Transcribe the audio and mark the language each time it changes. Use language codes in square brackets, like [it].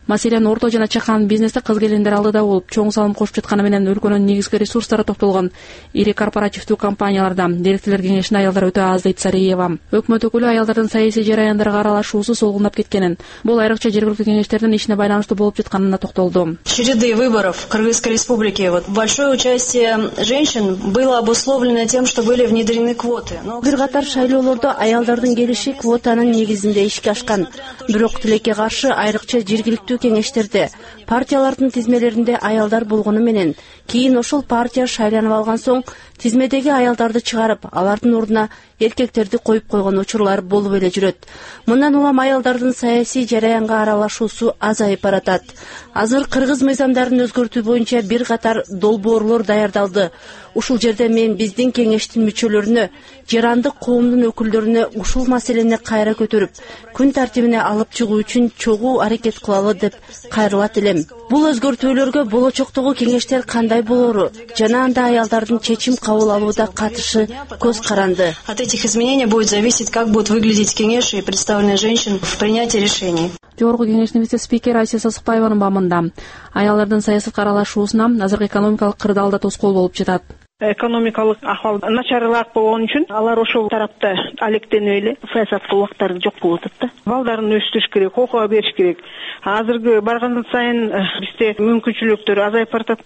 [ky] Маселен, орто жана чакан бизнесте кыз келиндер алдыда болуп, чоң салым кошуп жатканы менен өлкөнүн негизги ресурстары токтолгон ири корпоративдүү компанияларда директорлор кеңешинде аялдар өтө аз, дейт Сариева. Өкмөт өкүлү аялдардын саясий жараяндарга аралашуусу солгундап кеткенин, бул айрыкча жергиликтүү кеңештердин ишине байланыштуу болуп жатканына токтолду. [ru] Череды выборов Кыргызской Республики. Большое участие женщин было обусловлено тем, что были внедрены квоты. [ky] Бир катар шайлоолордо аялдардын келиши квотанын негизинде ишке ашкан. Бирок тилекке каршы айрыкча жергиликтүү кеңештерде партиялардын тизмелеринде аялдар болгону менен кийин ошол партия шайланып алган соң тизмедеги аялдарды чыгарып, алардын ордуна эркектерди коюп койгон учурлар болуп эле жүрөт. Мындан улам аялдардын саясий жараянга аралашуусу азайып баратат. Азыр кыргыз мыйзамдарын өзгөртүү боюнча бир катар долбоорлор даярдалды. Ушул жерде мен биздин кеңештин мүчөлөрүнө жарандык коомдун өкүлдөрүнө ушул маселени кайра көтөрүп, күн тартибине алып чыгуу үчүн чогуу аракет кылалы деп кайрылат элем. Бул өзгөртүүлөргө болочоктогу кеңештер кандай болору жана анда аялдардын чечим кабыл алууда катышы көз каранды. [ru] От этих изменений будет зависеть, как будут выглядеть кеңеш и представленные женщин в принятии решений. [ky] Жогорку кеңештин вице-спикери Айсе Сасыкбаеванын баамында аялдардын саясатка аралашуусуна азыр экономикалык кырдаал да тоскоол болуп жатат. Экономикалык ахвал начарлак болгон үчүн алар ошол тарапта алектенип эле саясатка убактары жок болуп атат да. Балдарын өстүрүш керек, окууга бериш керек. Азыркы барган сайын бизде мүмкүнчүлүктөр азайып баратат.